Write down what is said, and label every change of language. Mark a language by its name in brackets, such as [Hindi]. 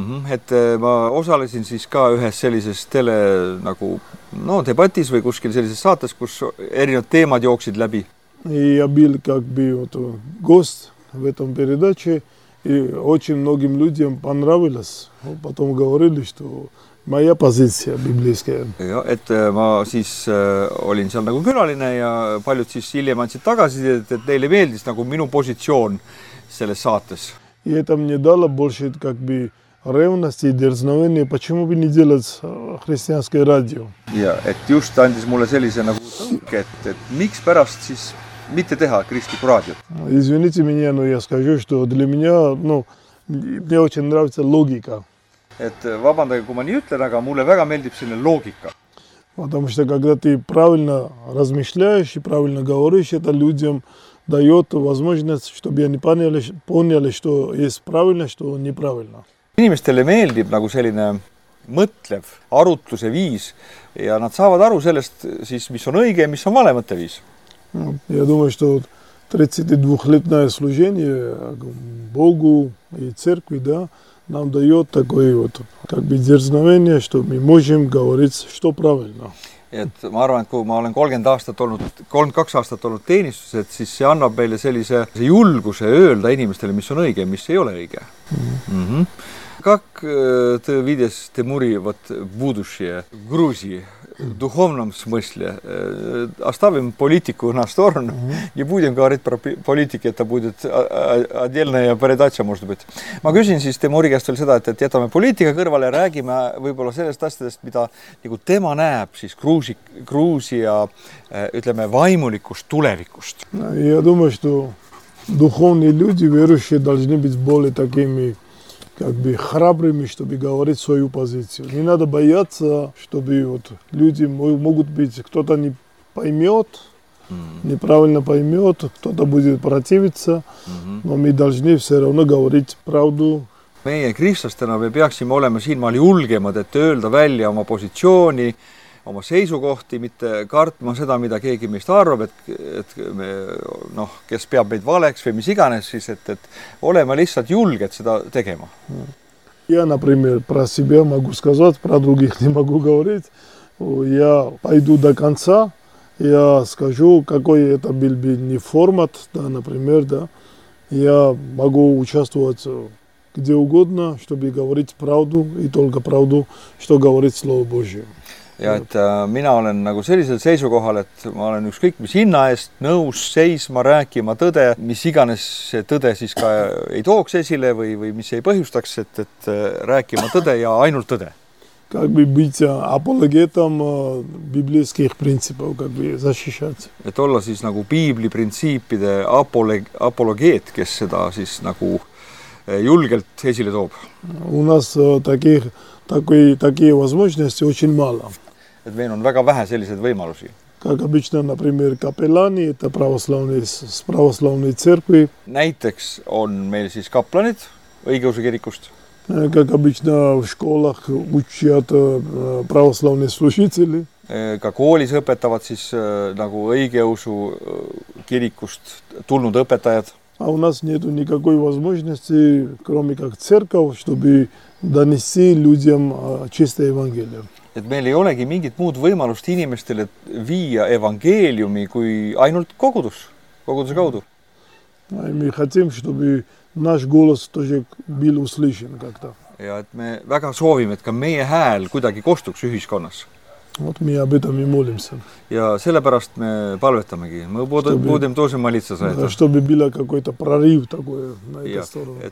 [Estonian] Et ma osalesin siis ka ühes sellises tele nagu, no, debatis või kuskil sellises saates, kus erinevad teemad jooksid läbi. [Russian] Я был как бы вот гость в этом передаче, и очень многим людям понравилось. Потом говорили, что Ma ei jäpa siit siia biblijaske. [Estonian] Ja, et ma siis olin seal nagu külaline ja paljud siis hiljem andsid tagasi, et neile meeldis nagu minu positsioon selles saates. [Russian] И это мне дало больше как бы ревности и дерзновения, почему бы не делать христианское радио. [Estonian] Ja, et just andis mulle sellise nagu tõnke, et miks pärast siis mitte teha kristlikku raadiot. [Russian] Извините меня, но я скажу, что для меня, ну, мне очень нравится логика. [Estonian] Et vabandage, kui ma nii ütlen, aga mulle väga meeldib selline loogika. [Russian] Потому что когда ты правильно размышляешь и правильно говоришь, это людям дает возможность, чтобы они поняли, что есть правильно, что неправильно. [Estonian] Inimestele meeldib nagu selline mõtlev arutluse viis ja nad saavad aru sellest, siis mis on õige, mis on vale mõtte viis. [Russian] Я думаю, что 32-летное служение Богу и церкви, да, нам дает такое вот, как бы дерзновение, что мы можем говорить, что правильно. [Estonian] Et ma arvan, et kui ma olen 32 aastat olnud teenistus, et siis see annab meile sellise julguse öelda inimestele, mis on õige, mis ei ole õige. [Russian] Как ты видишь, ты мури вот будущее Грузии в духовном смысле? Оставим политику на сторону, не будем говорить про политики, это будет отдельная передача, может быть. [Estonian] Ma küsin siis Temuri käest veel seda, et jätame poliitika kõrvale ja räägime võib-olla sellest asjadest, mida nagu tema näeb siis Gruusia ütleme vaimulikust tulevikust. [Russian] Ja думаю, что духовные люди, верующие должны быть более такими как бы храбрыми, чтобы говорить свою позицию. Не надо бояться, чтобы вот люди могут быть, кто-то не поймет, неправильно поймет, кто-то будет противиться, но мы должны все равно говорить правду. [Estonian] Meie kristlastena me peaksime olema siinmaal julgemad, et öelda välja oma positsiooni, oma seisukohti, mitte kartma seda, mida keegi meist arvab, et me, no, kes peab meid valeks või mis iganes, siis et olema lihtsalt julged seda tegema. [Russian] Ja например, про себя могу сказать, про других не могу говорить. Я пойду до конца, я скажу, какой это был бы не формат, да, например, да. Я могу участвовать где угодно, чтобы говорить правду и только правду, что говорит Слово Божие. [Estonian] Ja et mina olen nagu sellisel seisukohal, et ma olen ükskõik, mis hinna eest nõus seisma, rääkima tõde, mis iganes see tõde siis ka ei tooks esile või mis ei põhjustaks, et rääkima tõde ja ainult tõde. [Russian] Как бы быть апологетом библейских принципов, как бы защищать. [Estonian] Et olla siis nagu piibli printsiipide apologeet, kes seda siis nagu julgelt esile toob. [Russian] У нас такие возможности очень мало. [Estonian] Et meil on väga vähe sellised võimalusi. [Russian] Как обычно, например, капеллани, это православные церкви. [Estonian] Näiteks on meil siis kaplanid õigeusu kirikust. [Russian] Как обычно в школах учат православные служители. [Estonian] Ka koolis õpetavad siis nagu õigeusu kirikust tulnud õpetajad. [Russian] А у нас нет никакой возможности, кроме как церковь, чтобы донести людям чистое евангелие. [Estonian] Et meil ei olegi mingit muud võimalust inimestele viia evangeeliumi kui ainult koguduse kaudu. [Russian] Me хотим, чтобы наш голос тоже был услышан как-то. [Estonian] Ja et me väga soovime, et ka meie hääl kuidagi kostuks ühiskonnas. [Russian] Вот мы об этом и молимся. [Estonian] Ja sellepärast me palvetamegi. [Russian] Мы будем тоже молиться за это. Чтобы было какой-то прорыв такой на эту сторону.